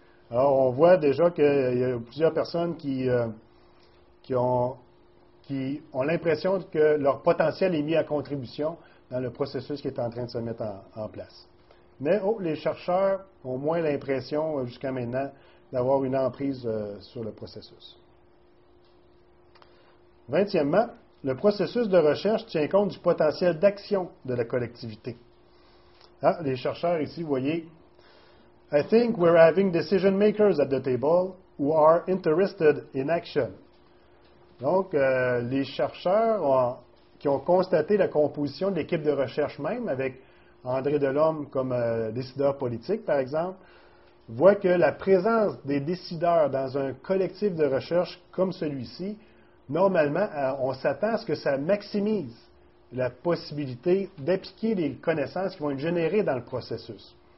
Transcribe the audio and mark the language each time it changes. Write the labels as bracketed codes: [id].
[fr] Alors, on voit déjà qu'il y a plusieurs personnes qui ont l'impression que leur potentiel est mis à contribution dans le processus qui est en train de se mettre en place. Mais les chercheurs ont moins l'impression jusqu'à maintenant d'avoir une emprise sur le processus. 20e, le processus de recherche tient compte du potentiel d'action de la collectivité. Ah, les chercheurs ici, vous voyez, [en] I think we're having decision makers at the table who are interested in action. [fr] Donc, les chercheurs qui ont constaté la composition de l'équipe de recherche même, avec André Delhomme comme décideur politique, par exemple, voit que la présence des décideurs dans un collectif de recherche comme celui-ci, normalement, on s'attend à ce que ça maximise la possibilité d'appliquer les connaissances qui vont être générées dans le processus.